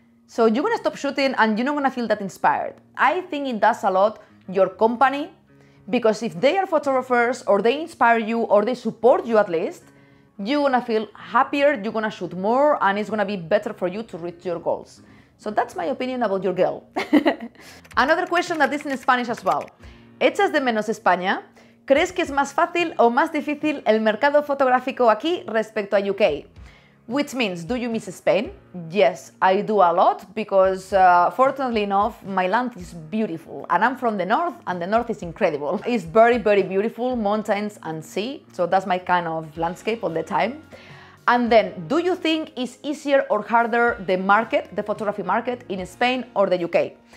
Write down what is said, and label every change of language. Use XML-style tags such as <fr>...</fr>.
<en>So you're gonna stop shooting and you're not gonna feel that inspired. I think it does a lot your company, because if they are photographers or they inspire you or they support you at least, you're gonna feel happier, you're gonna shoot more, and it's gonna be better for you to reach your goals. So that's my opinion about your girl. Another question that is in Spanish as well.</en> <es>¿Echas de menos España? ¿Crees que es más fácil o más difícil el mercado fotográfico aquí respecto a UK?</es> <en>Which means, do you miss Spain? Yes, I do a lot, because fortunately enough, my land is beautiful and I'm from the north, and the north is incredible. It's very, very beautiful, mountains and sea. So that's my kind of landscape all the time. And then, do you think it's easier or harder the market, the photography market in Spain or the UK?</en>